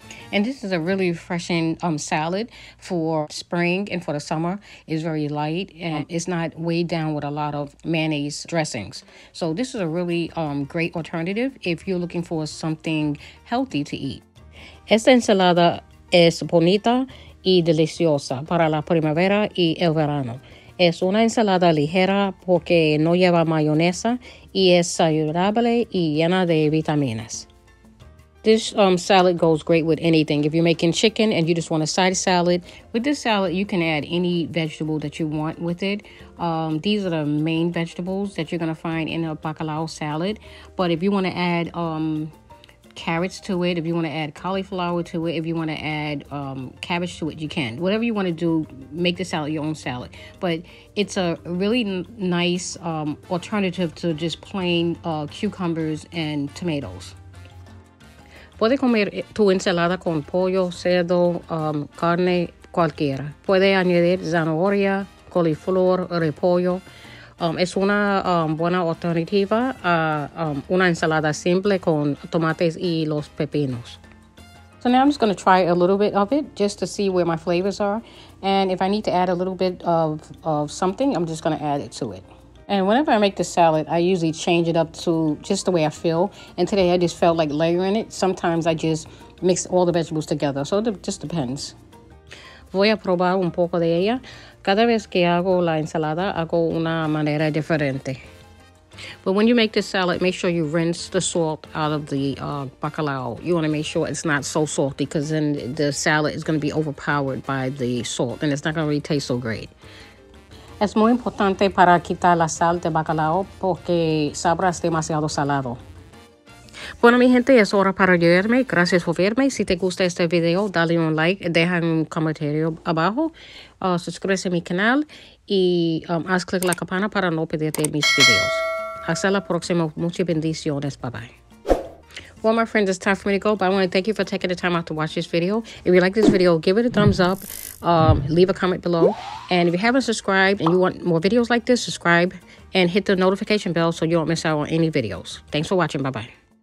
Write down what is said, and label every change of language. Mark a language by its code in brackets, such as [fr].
[en] And this is a really refreshing salad for spring and for the summer. It's very light and it's not weighed down with a lot of mayonnaise dressings. So this is a really great alternative if you're looking for something healthy to eat. [es] Esta ensalada es bonita y deliciosa para la primavera y el verano. Es una ensalada ligera porque no lleva mayonesa y es saludable y llena de vitaminas. [en] This salad goes great with anything. If you're making chicken and you just want a side salad, with this salad, you can add any vegetable that you want with it. These are the main vegetables that you're going to find in a bacalao salad. But if you want to add carrots to it, if you want to add cauliflower to it, if you want to add cabbage to it, you can. Whatever you want to do, make the salad your own salad. But it's a really nice alternative to just plain cucumbers and tomatoes. [es] Puede comer tu ensalada con pollo, cerdo, carne, cualquiera. Puede añadir zanahoria, coliflor, repollo. Es una buena alternativa a una ensalada simple con tomates y los pepinos. [en] So now I'm just going to try a little bit of it just to see where my flavors are. And if I need to add a little bit of something, I'm just going to add it to it. And whenever I make the salad, I usually change it up to just the way I feel. And today I just felt like layering it. Sometimes I just mix all the vegetables together. So it just depends. [es] Voy a probar un poco de ella. Cada vez que hago la ensalada, hago una manera diferente. [en] But when you make the salad, make sure you rinse the salt out of the bacalao. You want to make sure it's not so salty because then the salad is going to be overpowered by the salt. And it's not going to really taste so great. [es] Es muy importante para quitar la sal de bacalao porque sabrás demasiado salado. Bueno, mi gente, es hora para ayudarme. Gracias por verme. Si te gusta este video, dale un like, deja un comentario abajo, suscríbete a mi canal y haz clic la campana para no perderte mis videos. Hasta la próxima. Muchas bendiciones. Bye bye. [en] Well, my friends, it's time for me to go, but I want to thank you for taking the time out to watch this video. If you like this video, give it a thumbs up, leave a comment below, and if you haven't subscribed and you want more videos like this, subscribe and hit the notification bell so you don't miss out on any videos. Thanks for watching. Bye-bye.